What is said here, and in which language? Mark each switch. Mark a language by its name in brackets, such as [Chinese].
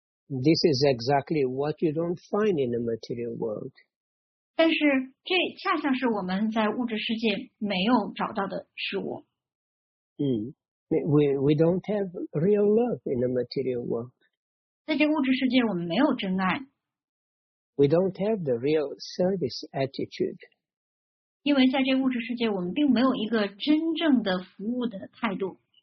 [English] This is exactly what you don't find in the material world. [Chinese] 但是这恰恰是我们在物质世界没有找到的事物。 [English] We don't have real love in the material world. [Chinese] 在这物质世界我们没有真爱。 [English] We don't have the real service attitude. [Chinese] 因为在这物质世界我们并没有一个真正的服务的态度。